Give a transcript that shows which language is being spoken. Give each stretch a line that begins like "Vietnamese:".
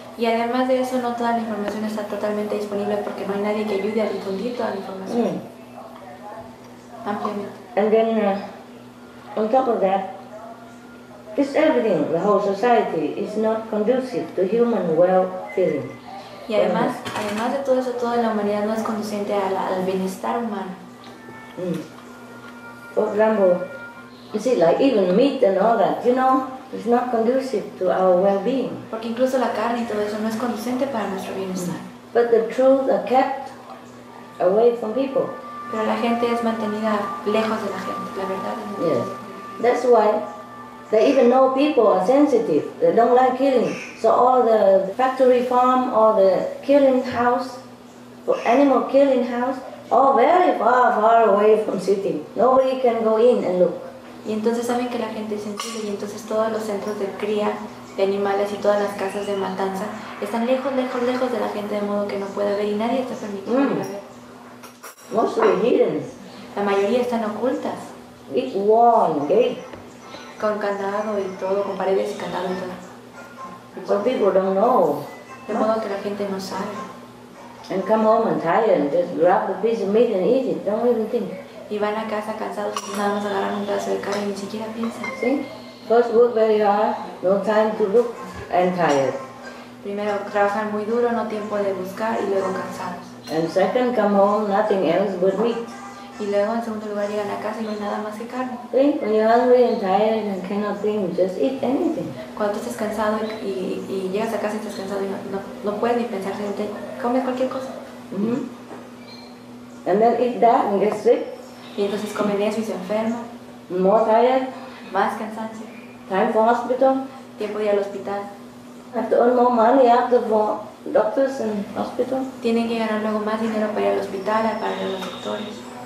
Spanish: Y además de eso, no toda la información está totalmente disponible porque no hay nadie que ayude a difundir toda la información.
English: And then, on top of that, this everything, the whole society, is not conducive to human well-being.
Spanish: Y además, además de todo eso, toda la humanidad no es conducente al bienestar humano.
English: For example, you see, like even meat and all that, you know, it's not conducive to our well-being.
Spanish: Porque incluso la carne y todo eso no es conducente para nuestro bienestar.
English: But the truth are kept away from people.
Spanish: Pero la gente es mantenida lejos de la gente, la verdad.
English: Yes. That's why they even know people are sensitive. They don't like killing. So all the factory farm or the killing house, or animal killing house, all very far, far away from city. Nobody can go in and look.
Spanish: Y entonces saben que la gente es sensible y entonces todos los centros de cría de animales y todas las casas de matanza están lejos, lejos, lejos de la gente de modo que no puede ver y nadie está permitido ver.
English: Mostly hidden.
Spanish: La mayoría están ocultas.
English: Big wall and gate.
Spanish: Con candado y todo, con paredes y candado y todo.
English: Some people don't know.
Spanish: De modo que la gente no sabe.
English: And come home and tired and just grab a piece of meat and eat it. Don't even think.
Spanish: Y van a casa cansados y nada más agarran un pedazo de carne y ni siquiera piensan.
English: See? First work very hard, no time to look and tired.
Spanish: Primero trabajan muy duro, no tiempo de buscar y luego cansados.
English: And second, come home, nothing else but meat.
Spanish: Y luego en segundo lugar llegan a casa y no hay nada más que carne.
English: See? When you're hungry and tired and cannot think, just eat anything.
Spanish: Cuando estás cansado y llegas a casa y estás cansado y no puedes ni pensar, comes cualquier cosa.
English: And then eat that and get sick.
Spanish: Y entonces comen eso y se enferma.
English: More tired.
Spanish: Más cansancio.
English: Time for hospital.
Spanish: Tiempo de ir al hospital.
English: Have to earn more money after for doctors and hospital.
Spanish: Tienen que ganar luego más dinero para ir al hospital, para ir a los doctores.